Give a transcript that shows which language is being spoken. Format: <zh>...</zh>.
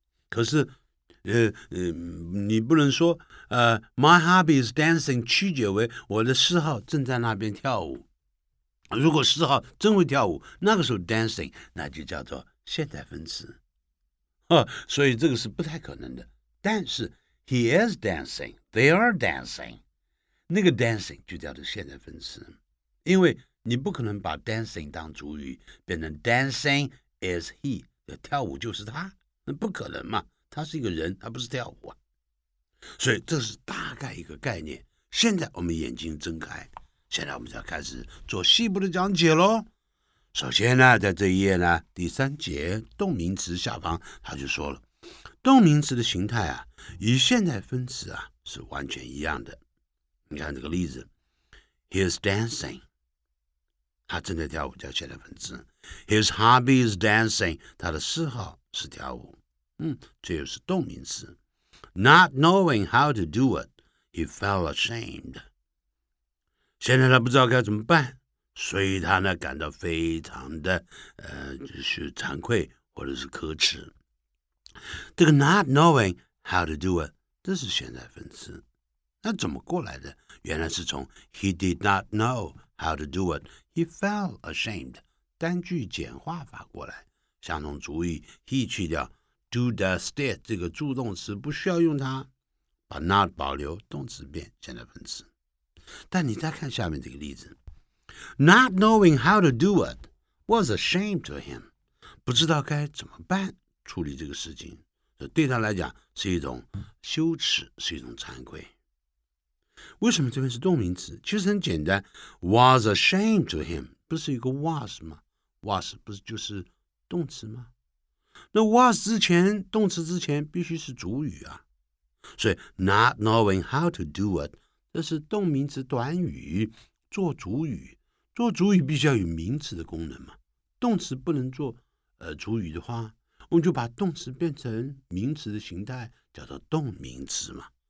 <zh>可是，你不能说，</zh> <en>my hobby is dancing</en> <zh>曲解为我的嗜好正在那边跳舞。如果嗜好真会跳舞，那个时候 dancing 那就叫做现代分词。所以这个是不太可能的。但是</zh> <en>he is dancing, they are dancing,</en> <zh>那个 dancing 就叫做现代分词。因为你不可能把 dancing 当主语变成</zh> <en>dancing is he,</en> <zh>跳舞就是他，那不可能嘛，他是一个人，他不是跳舞啊。所以这是大概一个概念。现在我们眼睛睁开，现在我们就要开始做细部的讲解咯。首先呢，在这一页呢，第三节动名词下方，他就说了，动名词的形态啊，与现代分词啊是完全一样的。你看这个例子 ，</zh> <en>He is dancing，</en> <zh>他正在跳舞叫现代分词。</zh> <en>His hobby is dancing，</en> <zh>他的嗜好是跳舞。这又是动名词。</zh> <en>Not knowing how to do it， he felt ashamed。</en> <zh>现在他不知道该怎么办。所以他呢感到非常的就是惭愧或者是可耻。这个</zh> <en>not knowing how to do it，</en> <zh>这是现在分词。那怎么过来的？原来是从</zh> <en>he did not know how to do it， he felt ashamed，</en> <zh>单句简化法过来，相同主语 he 去掉， do does did 这个助动词不需要用它，把 not 保留，动词变现在分词。但你再看下面这个例子，</zh> <en>Not knowing how to do it was a shame to him.</en> <zh>不知道该怎么办处理这个事情，对他来讲是一种羞耻，是一种惭愧。为什么这边是动名词？其实很简单，</zh> <en>was a shame to him</en> <zh>不是一个 was 吗？ was 不是就是动词吗？那 was 之前，动词之前必须是主语啊。所以</zh> <en>not knowing how to do it</en> <zh>这是动名词短语做主语，做主语必须要有名词的功能嘛，动词不能做主语的话，我们就把动词变成名词的形态，叫做动名词嘛。</zh>